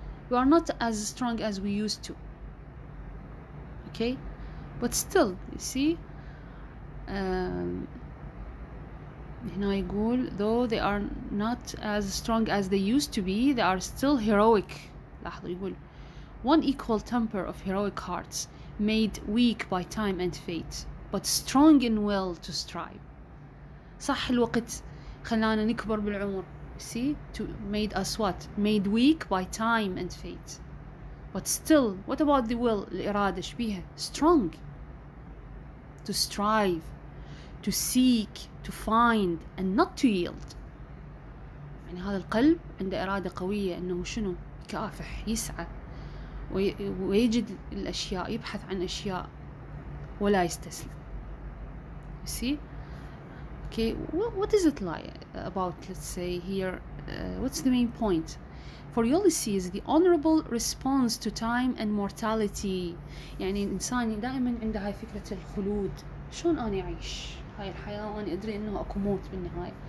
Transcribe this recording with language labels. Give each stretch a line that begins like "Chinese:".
English: We are not as strong as we used to. Okay, but still you see
Arabic: هنا يقول
English: though they are not as strong as they used to be they are still heroic.
Arabic: لاحظوا يقول
English: one equal temper of heroic hearts made weak by time and fate but strong in will to strive.
Arabic: صح الوقت خلانا نكبر بالعمر.
English: See, to made us what? Made weak by time and fate but still what about the will,
Arabic: الإرادة شبيها
English: strong to strive to seek to find and not to yield.
Arabic: يعني هذا القلب عنده إرادة قوية إنه شنو يكافح يسعى ويجد الأشياء، يبحث عن أشياء ولا يستسلم.
English: You see? Okay. What is it like about, let's say here, what's the main point? For Ulysses, the honorable response to time and mortality.
Arabic: يعني الإنسان دائما عنده هاي فكرة الخلود. شون أنا أعيش هاي الحياة وأنا أدري إنه أكون موت بالنهاية.